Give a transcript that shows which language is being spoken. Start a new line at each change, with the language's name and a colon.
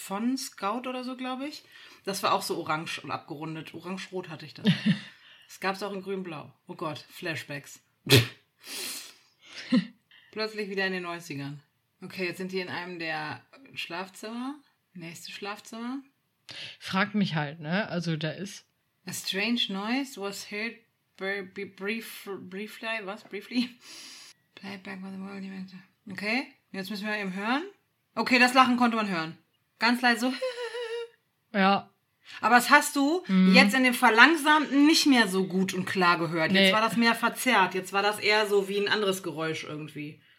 German: Von Scout oder so, glaube ich. Das war auch so orange und abgerundet. Orange-rot hatte ich das. Es gab es auch in grün-blau. Oh Gott, Flashbacks. Plötzlich wieder in den 90ern. Okay, jetzt sind die in einem der Schlafzimmer. Nächste Schlafzimmer. Frag mich halt, ne? Also da ist...
English: A strange noise was heard briefly, was? Briefly? Playback with the world event.
German: Okay, jetzt müssen wir eben hören. Okay, das Lachen konnte man hören. Ganz leise so. Ja. Aber das hast du jetzt in dem Verlangsamten nicht mehr so gut und klar gehört. Jetzt war das mehr verzerrt. Jetzt war das eher so wie ein anderes Geräusch irgendwie.